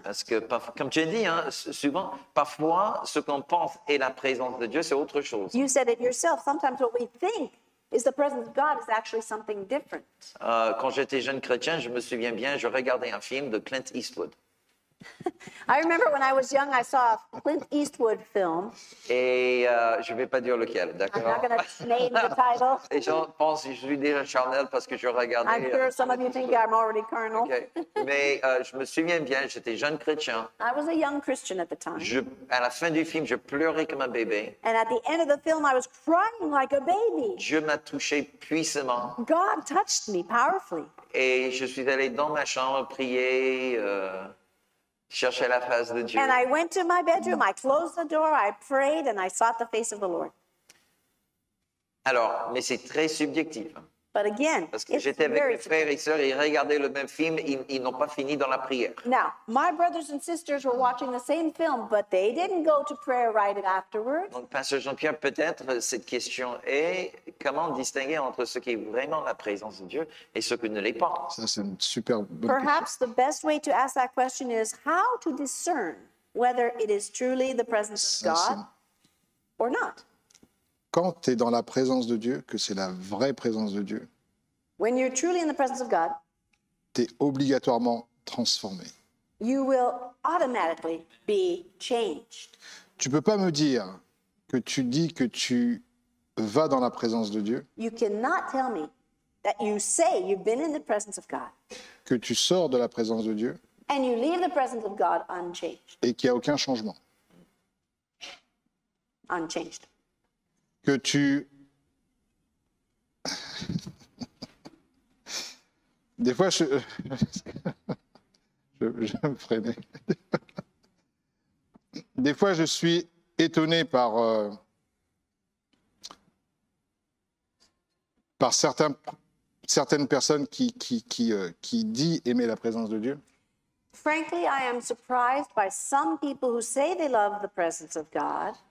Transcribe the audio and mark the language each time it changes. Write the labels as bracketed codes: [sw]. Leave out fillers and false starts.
[fr] Parce que, comme tu as dit, hein, souvent, parfois, ce qu'on pense est la présence de Dieu, c'est autre chose. [en] You said it yourself. Sometimes what we think is the presence of God is actually something different. [fr] Quand j'étais jeune chrétien, je me souviens bien, je regardais un film de Clint Eastwood. [en] I remember when I was young, I saw a Clint Eastwood film. [fr] Et je ne vais pas dire lequel, d'accord? [en] I'm not going to name the title. [fr] Les gens pensent que je suis déjà charnel parce que je regardais. [en] I'm sure some of you think I'm already carnal. Okay. [fr] Mais je me souviens bien, j'étais jeune chrétien. [en] I was a young Christian at the time. [fr] À la fin du film, je pleurais comme un bébé. [en] And at the end of the film, I was crying like a baby. [fr] Dieu m'a touché puissamment. [en] God touched me powerfully. [fr] Et je suis allé dans ma chambre prier. Cherchais la face de Dieu. [en] And I went to my bedroom, I closed the door, I prayed and I sought the face of the Lord. [fr] Alors, mais c'est très subjectif. [en] But again, [fr] parce que j'étais avec mes frères et sœurs, ils regardaient le même film, ils n'ont pas fini dans la prière. [en] Now, my brothers and sisters were watching the same film, but they didn't go to prayer right afterwards. [fr] Donc, Pasteur Jean-Pierre, peut-être cette question est comment distinguer entre ce qui est vraiment la présence de Dieu et ce qui ne l'est pas. Ça, c'est une super bonne question. [en] Perhaps the best way to ask that question is how to discern whether it is truly the presence of God or not. [fr] Quand tu es dans la présence de Dieu, que c'est la vraie présence de Dieu, [en] when you're truly in the presence of God, [fr] tu es obligatoirement transformé. [en] you will automatically be changed. [fr] Tu peux pas me dire que tu dis que tu vas dans la présence de Dieu. [en] You cannot tell me that you say you've been in the presence of God. [fr] Que tu sors de la présence de Dieu. [en] And you leave the presence of God unchanged. [fr] Et qu'il y a aucun changement. [en] Unchanged. [fr] Que tu des fois je je me freine. Des fois je suis étonné par par certaines personnes qui dit aimer la présence de Dieu. [en] Frankly, I am surprised by some people who say they love the presence of God.